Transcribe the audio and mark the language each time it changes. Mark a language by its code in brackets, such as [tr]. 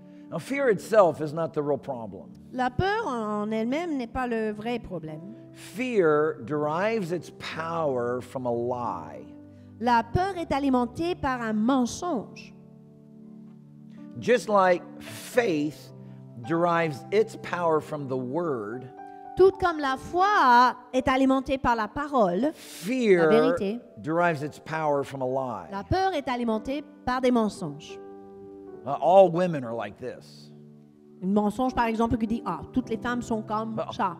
[en] Now, fear itself is not the real problem. [fr] La peur en elle-même n'est pas le vrai problème. [en] Fear derives its power from a lie. [fr] La peur est alimentée par un mensonge. [en] Just like faith derives its power from the word, [fr] tout comme la foi est alimentée par la parole, [en] fear [fr] la vérité, [en] derives its power from a lie. [fr] La peur est alimentée par des mensonges. [en] All women are like this. [fr] Un mensonge, par exemple, qui dit, ah, toutes les femmes sont comme ça.